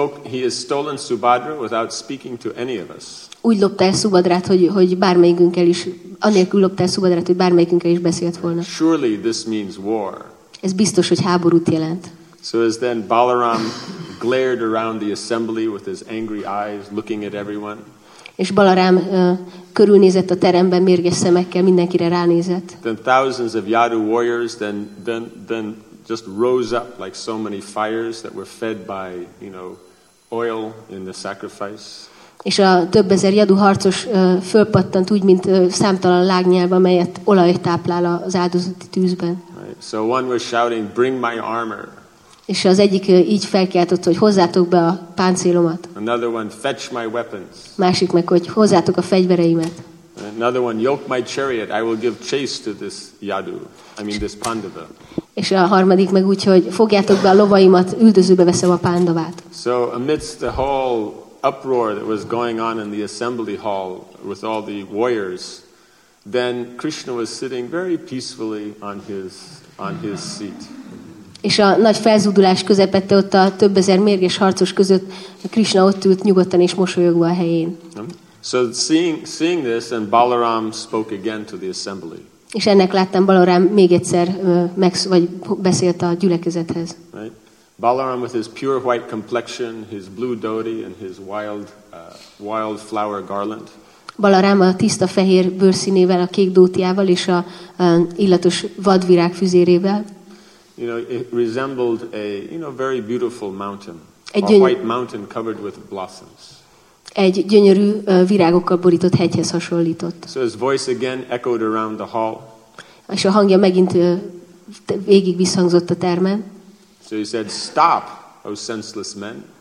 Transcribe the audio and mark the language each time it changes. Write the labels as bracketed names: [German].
[English] He has stolen Subhadra without speaking to any of us. [Hungarian] Úgy lopta el Subhadrát, hogy bármelyikünkkel is, anélkül lopta el Subhadrát, hogy bármelyikünkkel is beszélt volna. [English] Surely this means war. [Hungarian] Ez biztos, hogy háborút jelent. [English] So as then Balaram glared around the assembly with his angry eyes, looking at everyone. [Hungarian] És Balaram körülnézett a teremben mérges szemekkel, mindenkire ránézett. [English] Then thousands of Yadu warriors then just rose up like so many fires that were fed by, you know, oil in the sacrifice. [Hungarian] És a több ezer Yadu harcos fölpattant úgy, mint számtalan lágnyelv, amelyet olaj táplál az áldozati tűzben. [English] Right. So one was shouting, bring my armor. [Hungarian] És az egyik így felkiáltott, hogy hozzátok be a páncélomat. [English] Another one, fetch my weapons. [Hungarian] Másik meg, hogy hozzátok a fegyvereimet. [English] Another one, yoke my chariot, I will give chase to this Yadu. I mean this Pandava. [Hungarian] És a harmadik meg úgy, hogy fogjátok be a lovaimat, üldözőbe veszem a Pandavát. [English] So amidst the whole uproar that was going on in the assembly hall with all the warriors, then Krishna was sitting very peacefully on his seat. [Hungarian] És a nagy felzúdulás közepette ott a több ezer mérges harcos között Krishna ott ült nyugodtan és mosolyogva a helyén. [English] So seeing this, and Balaram spoke again to the assembly. [Hungarian] És ennek láttam Balaram még egyszer vagy beszélt a gyülekezethez. [English] Right? Balaram with his pure white complexion, his blue dhoti and his wild flower garland. [Hungarian] Balaram a tiszta fehér bőrszínével, a kék dótiával és a illatos vadvirág füzérével. [English] You know, it resembled a, you know, very beautiful mountain, a white mountain covered with blossoms. [Hungarian] Egy gyönyörű virágokkal borított hegyhez hasonlított. [English] So his voice again echoed around the hall. [Hungarian] És a hangja megint végig visszhangzott a termen. [English] So he said, "Stop, O senseless men."